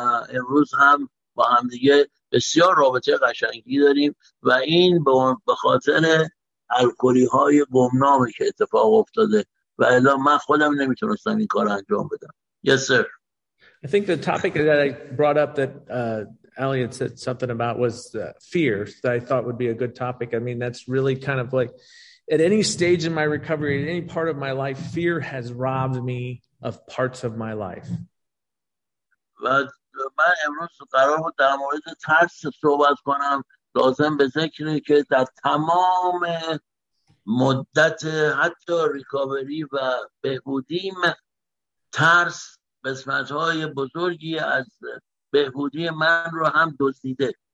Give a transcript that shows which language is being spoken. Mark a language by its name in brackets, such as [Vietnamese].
[Persian] امروز هم با هم دیگه بسیار رابطه قشنگی داریم و این به خاطر الکلی های گمنامی که اتفاق افتاده و الان من خودم نمیتونستم این کار انجام بدم. [English] Yes sir. I think the topic that I brought up that Elliot said something about was fear that I thought would be a good topic. I mean, that's really kind of like at any stage in my recovery, at any part of my life, fear has robbed me of parts of my life. But [Persian] من امروز قرار بود در مورد ترس صحبت کنم. لازم به ذکره که در تمام مدت حتی ریکاوری و بهبودیم، ترس قسمت‌های بزرگی از بهبودی من رو هم دزدیده.